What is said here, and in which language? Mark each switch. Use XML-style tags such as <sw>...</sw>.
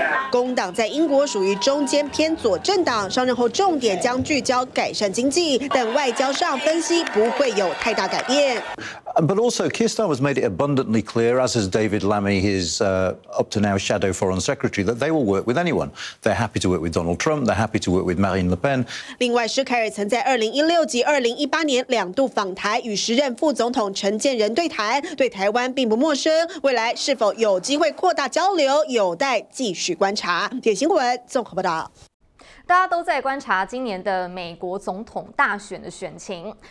<zh>工党在英国属于中间偏左政党，上任后重点将聚焦改善经济，但外交上分析不会有太大改变。</zh> <en>But also, Keir Starmer has made it abundantly clear, as has David Lammy, his up to now shadow foreign secretary, that they will work with anyone. They're happy to work with Donald Trump. They're happy to work with Marine Le Pen.</en> <zh>另外，施凯尔曾在2016及2018年两度访台，与时任副总统陈建仁对台，对台湾并不陌生。未来是否有机会扩大交流，有待继续观察。点新闻综合报道。大家都在观察今年的美国总统大选的选情。</zh>